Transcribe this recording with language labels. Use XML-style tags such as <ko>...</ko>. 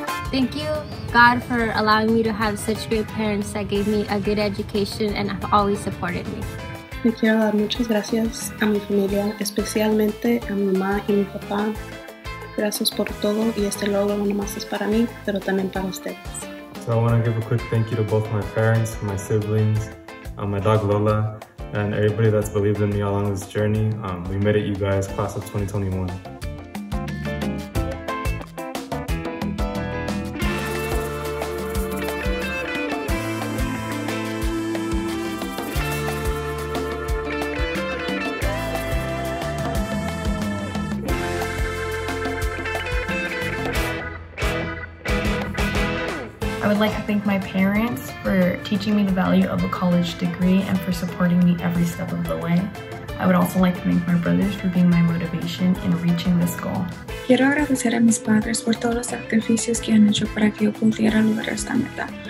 <en>Thank you, God, for allowing me to have such great parents that gave me a good education and have always supported me.</en> <es>Me quiero dar muchas gracias a mi familia, especialmente a mi mamá y mi papá. Gracias por todo y este logro no más es para mí, pero también para ustedes.</es> <en>So I want to give a quick thank you to both my parents, my siblings, my dog Lola, and everybody that's believed in me along this journey. We made it, you guys, class of 2021. I'd like to thank my parents for teaching me the value of a college degree and for supporting me every step of the way. I would also like to thank my brothers for being my motivation in reaching this goal.</en> <es>Quiero agradecer a mis padres por todos los sacrificios que han hecho para que yo pudiera lograr esta meta.</es>